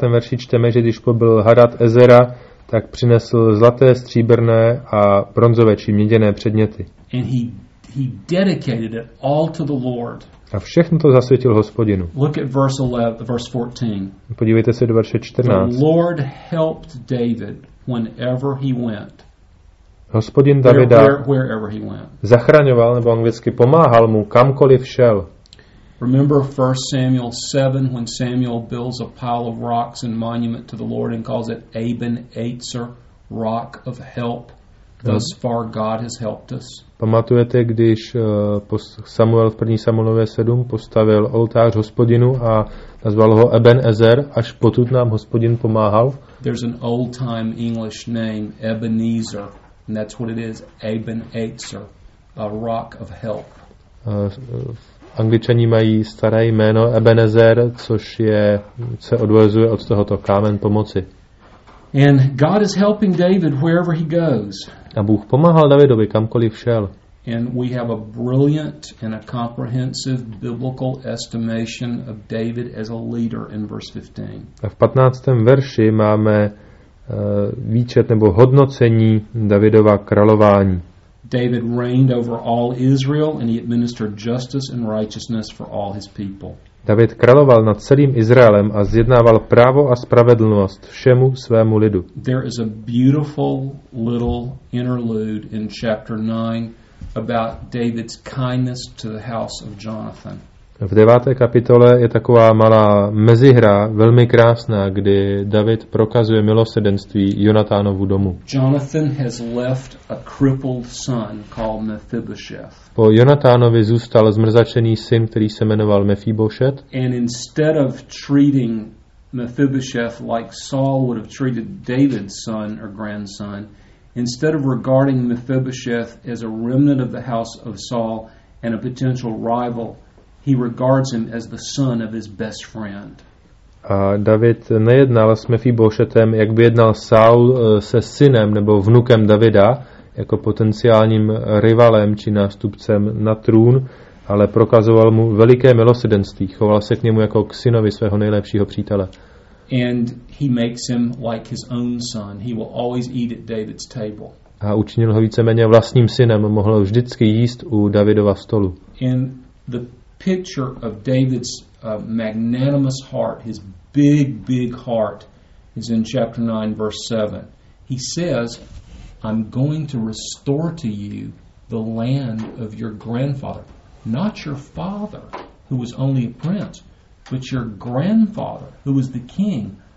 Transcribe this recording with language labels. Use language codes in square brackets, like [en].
[cs] verši čteme, že když pobyl Hadadezera, tak přinesl zlaté, stříbrné a bronzové či měděné předměty. [en] And he dedicated it all to the Lord. [cs] A všechno to zasvětil Hospodinu. [en] Look at verse 14. [cs] Podívejte se do verše 14. [en] The Lord helped David whenever he went. [cs] Hospodin Davida [en] wherever he went. [cs] Zachraňoval nebo anglicky pomáhal mu kamkoliv šel. [en] Remember 1 Samuel 7 when Samuel builds a pile of rocks and monument to the Lord and calls it Aben-Ezer, rock of help. Thus far God has helped us. [cs] Pamatujete, když Samuel v 1. Samuelově 7 postavil oltář Hospodinu a nazval ho Eben-Ezer, až potud nám Hospodin pomáhal? [en] There's an old time English name Ebenezer, and that's what it is, Aben-Ezer, a rock of help. [cs] Angličani mají staré jméno Ebenezer, což je se odvozuje od tohoto kámen pomoci. [en] And God is helping David wherever he goes. [cs] A Bůh pomáhal Davidovi kamkoliv šel. [en] And we have a brilliant and a comprehensive biblical estimation of David as a leader in verse 15. [cs] A v 15. verši máme výčet nebo hodnocení Davidova králování. [en] David reigned over all Israel and he administered justice and righteousness for all his people. [cs] David královal nad celým Izraelem a zjednával právo a spravedlnost všemu svému lidu. [en] There is a beautiful little interlude in chapter 9 about David's kindness to the house of Jonathan. [cs] V 9. kapitole je taková malá mezihra, velmi krásná, kdy David prokazuje milosrdenství Jonatánovu domu. [en] Jonathan has left a crippled son called Mephibosheth. [cs] Po Jonatánovi zůstal zmrzačený syn, který se jmenoval Mephibosheth. [en] And instead of treating Mephibosheth like Saul would have treated David's son or grandson, instead of regarding Mephibosheth as a remnant of the house of Saul and a potential rival, he regards him as the son of his best friend. [cs] A David nejednal s Mephibošetem, jak by jednal Saul se synem nebo vnukem Davida, jako potenciálním rivalem či nástupcem na trůn, ale prokazoval mu veliké milosrdenství, choval se k němu jako k synovi svého nejlepšího přítele. [en] And he makes him like his own son. He will always eat at David's table. [cs] A učinil ho víceméně vlastním synem, mohl vždycky jíst u Davidova stolu. [en] And the picture of David's magnanimous heart, his big, big heart, is in chapter 9, verse 7. He says, I'm going to restore to you the land of your grandfather, not your father, who was only a prince, but your grandfather, who was the king.